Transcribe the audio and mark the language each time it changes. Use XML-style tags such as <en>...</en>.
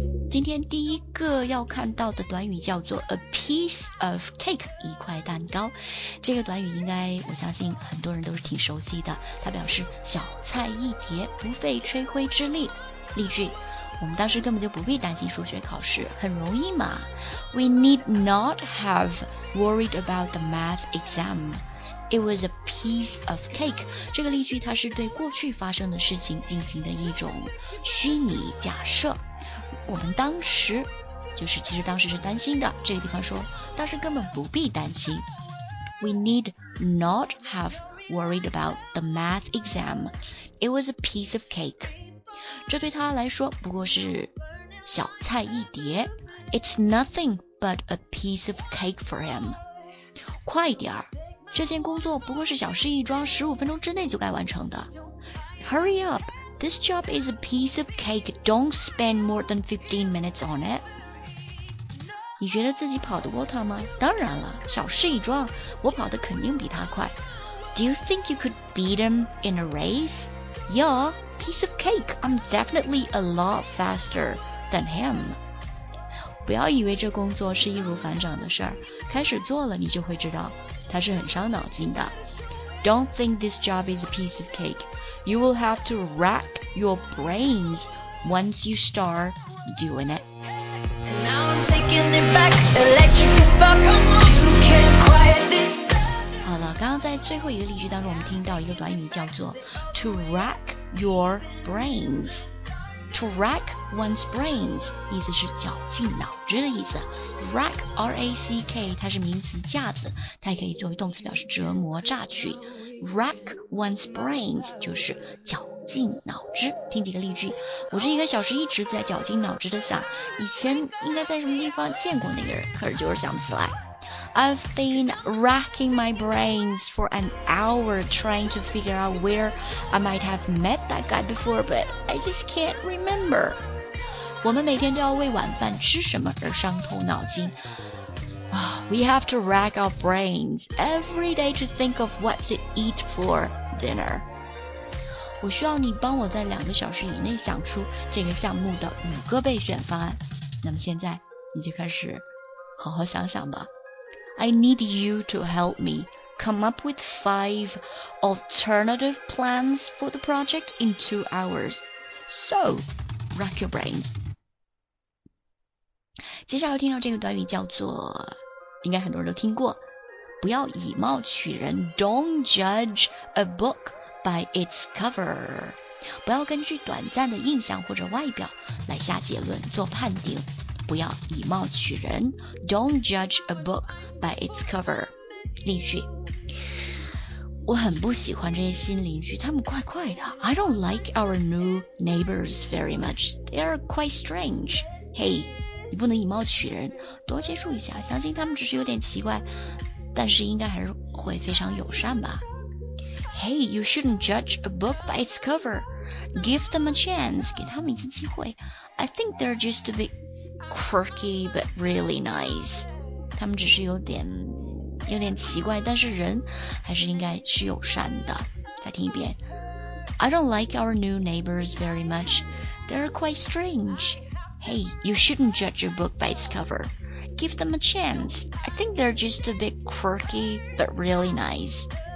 <zh>今天第一个要看到的短语叫做</zh> <en>a piece of cake，</en> <zh>一块蛋糕。这个短语应该我相信很多人都是挺熟悉的，它表示小菜一碟，不费吹灰之力。例句，我们当时根本就不必担心数学考试，很容易嘛。</zh> <en>We need not have worried about the math exam. It was a piece of cake.</en> <zh>这个例句它是对过去发生的事情进行的一种虚拟假设。我们当时就是其实当时是担心的，这个地方说当时根本不必担心。 We need not have worried about the math exam. It was a piece of cake. 这对他来说不过是小菜一碟。</zh> <en>It's nothing but a piece of cake for him.</en> <zh>快点，这件工作不过是小事一桩，15分钟之内就该完成的。</zh> <en>Hurry up. This job is a piece of cake. Don't spend more than 15 minutes on it.</en> <zh>你觉得自己跑得过他吗？当然了，小事一桩，我跑得肯定比他快。</zh> <en>Do you think you could beat him in a race? Yeah, piece of cake. I'm definitely a lot faster than him.</en> <zh>不要以为这工作是易如反掌的事儿，开始做了你就会知道，它是很伤脑筋的。</zh> <en>Don't think this job is a piece of cake. You will have to rack your brains once you start doing it. Now I'm taking it back. Electric is back. Come on, you can't quiet this.</en> <zh>好了，刚刚在最后一个例句当中，我们听到一个短语叫做</zh> <en>to rack your brains. To rack one's brains</en> <zh>意思是绞尽脑汁的意思。 Rack R-A-C-K 它是名词架子，它也可以作为动词表示折磨榨取。</zh> <en>Rack one's brains</en> <zh>就是绞尽脑汁。听几个例句，我这一个小时一直在绞尽脑汁的想以前应该在什么地方见过那个人，可是就是想不起来。</zh> <en>I've been racking my brains for an hour trying to figure out where I might have met that guy before, but I just can't remember.</en> <zh>我们每天都要为晚饭吃什么而伤头脑筋。</zh> <en>We have to rack our brains every day to think of what to eat for dinner.</en> <zh>我需要你帮我在两个小时以内想出这个项目的五个备选方案。那么现在你就开始好好想想吧。</zh> <en>I need you to help me come up with 5 alternative plans for the project in 2 hours. So, rack your brains.</en> <zh>接下来听到这个短语叫做，应该很多人都听过，不要以貌取人。</zh> <en>Don't judge a book by its cover.</en> <zh>不要根据短暂的印象或者外表来下结论做判定。不要以貌取人。</zh> <en>Don't judge a book by its cover.</en> <zh>例句，我很不喜欢这些新邻居，他们怪怪的。</zh> <en>I don't like our new neighbors very much. They are quite strange.</en> <zh>Hey, 你不能以貌取人，多接触一下，相信他们只是有点奇怪，但是应该还是会非常友善吧。</zh> <en>Hey, you shouldn't judge a book by its cover. Give them a chance.</en> <zh>给他们一次机会。</zh> <en>I think they're just a bitquirky but really nice.</en> <zh>他们只是有点奇怪，但是人还是应该是友善的。再听一遍。</zh> <en>I don't like our new neighbors very much. They're quite strange. Hey, you shouldn't judge a book by its cover. Give them a chance. I think they're just a bit quirky but really nice.</en>